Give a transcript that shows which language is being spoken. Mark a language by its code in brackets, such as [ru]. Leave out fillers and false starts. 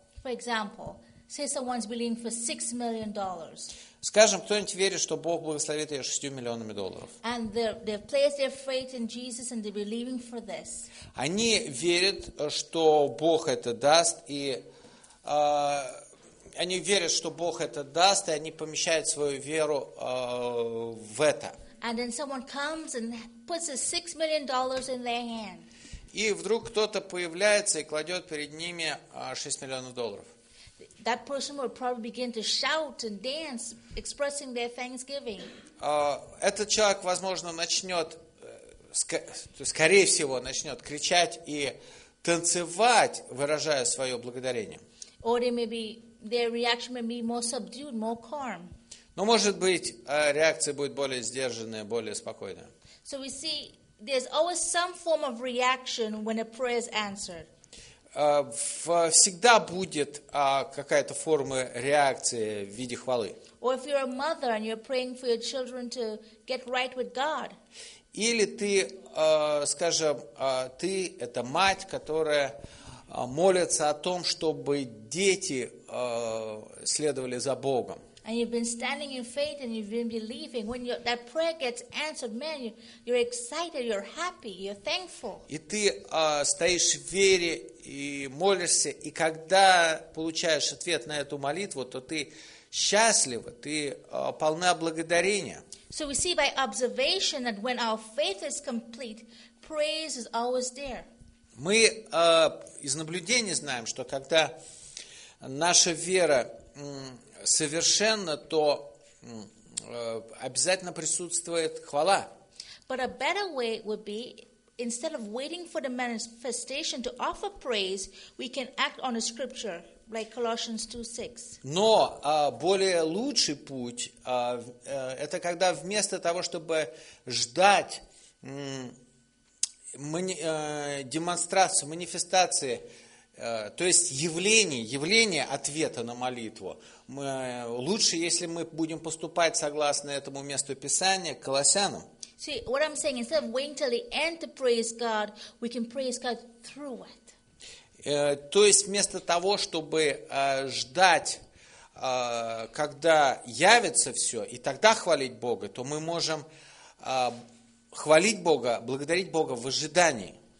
[en] For example, say someone's believing for $6 million. [ru] Скажем, кто-нибудь верит, что Бог благословит ее 6 миллионами долларов. [en] And they place their faith in Jesus and they're believing for this. [ru] Они верят, что Бог это даст, и они верят, что Бог это даст, и они помещают свою веру в это. [en] And then someone comes and puts $6 million in their hand. [ru] И вдруг кто-то появляется и кладет перед ними 6 миллионов долларов. [en] That person will probably begin to shout and dance, expressing their thanksgiving. [ru] Этот человек, возможно, начнет, скорее всего, начнет кричать и танцевать, выражая свое благодарение. [en] Or maybe their reaction may be more subdued, more calm. [ru] Но, может быть, реакция будет более сдержанная, более спокойная. [en] So we see there's always some form of reaction when a prayer is answered. [ru] Всегда будет какая-то форма реакции в виде хвалы. [en] Or if you're a mother and you're praying for your children to get right with God. [ru] Или ты, скажем, ты это мать, которая молится о том, чтобы дети следовали за Богом. [en] And you've been standing in faith and you've been believing. When that prayer gets answered, man, you're excited, you're happy, you're thankful. [ru] И ты стоишь в вере и молишься, и когда получаешь ответ на эту молитву, то ты счастлива, ты полна благодарения. [en] So we see by observation that when our faith is complete, praise is always there. [ru] Мы из наблюдений знаем, что когда наша вера совершенно, то обязательно присутствует хвала. [en] But a better way would be, instead of waiting for the manifestation to offer praise, we can act on a scripture, like Colossians 2:6. [ru] Но более лучший путь, это когда вместо того, чтобы ждать демонстрацию, манифестации, то есть явление ответа на молитву, лучше, если мы будем поступать согласно этому месту Писания, Колоссянам. [en] See, what I'm saying, instead of waiting till the end to praise God, we can praise God through it. [ru] То есть вместо того, чтобы ждать, когда явится все, и тогда хвалить Бога, то мы можем хвалить Бога, благодарить Бога в ожидании.